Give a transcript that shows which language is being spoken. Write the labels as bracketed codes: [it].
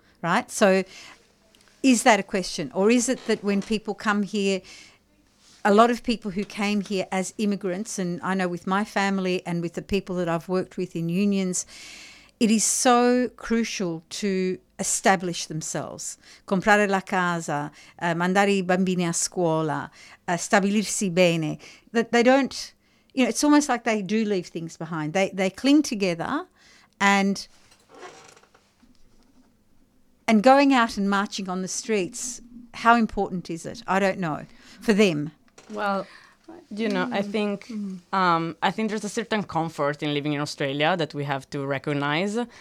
[en] Right? So is that a question? Or is it that when people come here, a lot of people who came here as immigrants, and I know with my family and with the people that I've worked with in unions, it is so crucial to establish themselves. [it] Comprare la casa, mandare I bambini a scuola, stabilirsi bene. [en] That they don't, you know, it's almost like they do leave things behind. They cling together, and going out and marching on the streets, how important is it? I don't know. For them. Well, you know, I think there's a certain comfort in living in Australia that we have to recognize.